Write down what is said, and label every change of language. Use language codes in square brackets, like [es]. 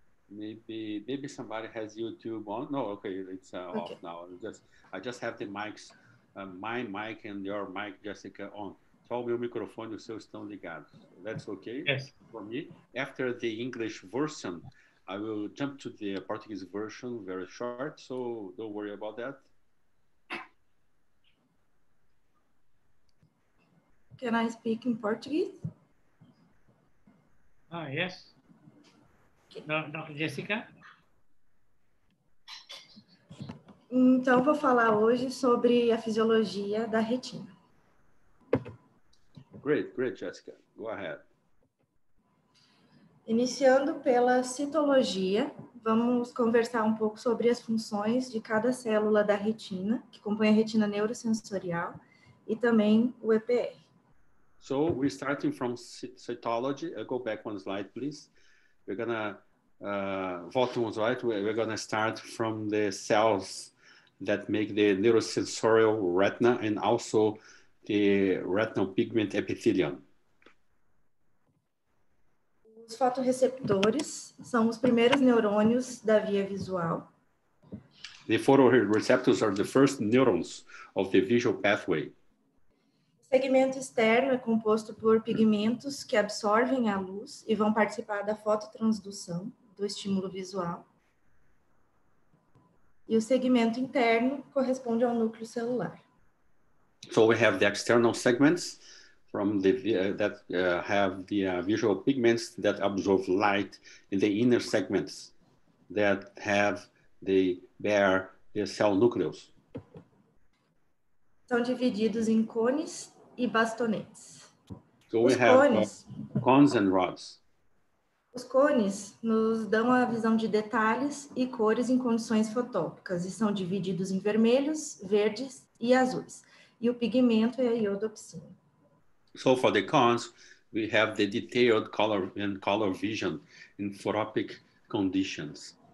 [en] Maybe somebody has YouTube on. No, okay, it's off now. I just have the mics, my mic and your mic, Jessica, on. [pt] Só o meu microfone e o seu estão ligados. [en] That's okay. Yes. For me, after the English version, I will jump to the Portuguese version very short. So don't worry about that. Can I speak in Portuguese? Ah, yes. Dr. Jessica? [pt] Então, vou falar hoje sobre a fisiologia da retina. [en] Great, Jessica. Go ahead. [pt] Iniciando pela citologia, vamos conversar um pouco sobre as funções de cada célula da retina, que compõe a retina neurosensorial, e também o EPR. [en] So we're starting from cytology. I'll go back one slide, please. We're gonna [pt] volta um slide. [en] We're gonna start from the cells that make the neurosensorial retina and also the retinal pigment epithelium. [pt] Os fotoreceptores são os primeiros neurônios da via visual. [en] The photoreceptors are the first neurons of the visual pathway. [pt] O segmento externo é composto por pigmentos que absorvem a luz e vão participar da fototransdução do estímulo visual. E o segmento interno corresponde ao núcleo celular. [en] So we have the external segments from the that have the visual pigments that absorb light in the inner segments that have the bear the cell nucleus. [pt] São divididos em cones e bastonetes. [en] So we have cones and rods. [pt] Os cones nos dão a visão de detalhes e cores em condições fotópicas e são divididos em vermelhos, verdes e azuis. E o pigmento é a iodopsina. [en] So for the cones, we have the detailed color and color vision in photopic conditions.